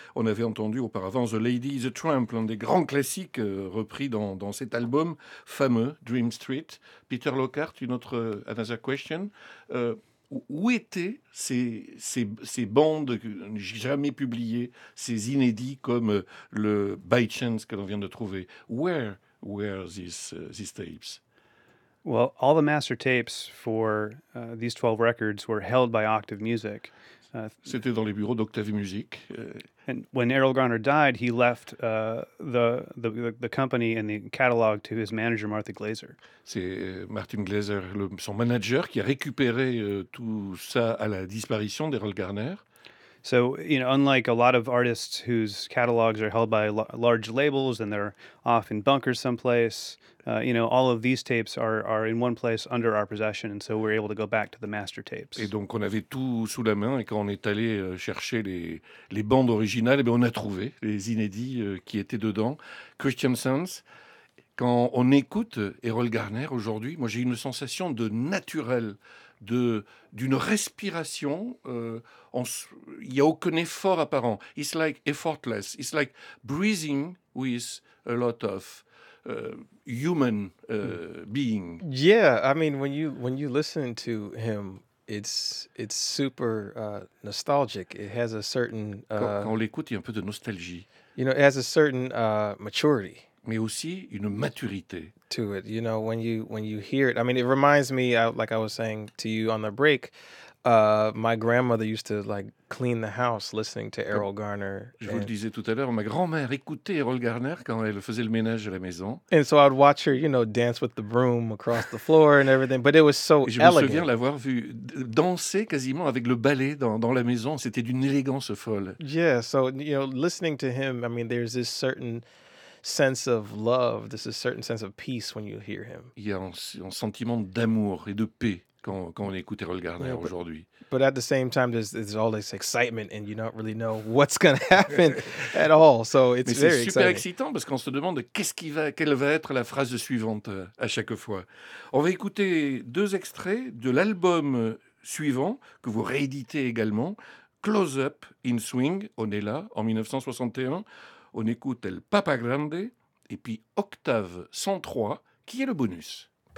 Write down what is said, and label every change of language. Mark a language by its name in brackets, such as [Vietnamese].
[French] On avait entendu auparavant The Lady is a Tramp, l'un des grands classiques repris dans cet album fameux, Dream Street. [English] Peter Lockhart, another question. [French] Où étaient ces bandes jamais publiées, ces inédits comme le By Chance que l'on vient de trouver? [English] Where were these tapes? Well, all the master tapes for these 12 records were held by Octave Music. [French] C'était dans les bureaux d'Octave Music. [English] And when Errol Garner died, he left the company and the catalog to his manager, Martin Glaser. [French] C'est Martin Glaser, son manager, qui a récupéré tout ça à la disparition d'Errol Garner. [English] So, you know, unlike a lot of artists whose catalogs are held by large labels and they're off in bunkers someplace, you know, all of these tapes are in one place under our possession, and so we're able to go back to the master tapes. [French] Et donc on avait tout sous la main, et quand on est allé chercher les bandes originales, on a trouvé les inédits qui étaient dedans. Christian Sands, quand on écoute Errol Garner aujourd'hui, moi j'ai une sensation de naturel, d'une respiration. Il n'y a aucun effort apparent. [English] It's like effortless. It's like breathing with a lot of human being. Yeah, I mean, when you listen to him, it's super nostalgic. It has a certain... [French] Quand on l'écoute, il y a un peu de nostalgie. [English] You know, it has a certain maturity. [French] Mais aussi une maturité. [English] To it, you know, when you hear it, I mean, it reminds me, like I was saying to you on the break, my grandmother used to like clean the house listening to Errol Garner. [French] Je vous le disais tout à l'heure, ma grand-mère écoutait Errol Garner quand elle faisait le ménage à la maison. [English] And so I'd watch her, you know, dance with the broom across the floor and everything, but it was so [French] je [English] elegant. [French] Je me souviens l'avoir vu danser quasiment avec le balai dans la maison. C'était d'une élégance folle. [English] Yeah, so you know, listening to him, I mean, there's this certain sense of love, this is a certain sense of peace when you hear him. [French] Il y a un sentiment d'amour et de paix quand on écoute Errol Garner aujourd'hui. [English] But at the same time, there's all this excitement and you don't really know what's going to happen at all. So it's very exciting. [French] Super excitant parce qu'on se demande quelle va être la phrase suivante à chaque fois. On va écouter deux extraits de l'album suivant que vous rééditez également, Close Up in Swing, on est là, en 1961. On écoute El Papa Grande et puis Octave 103, qui est le bonus.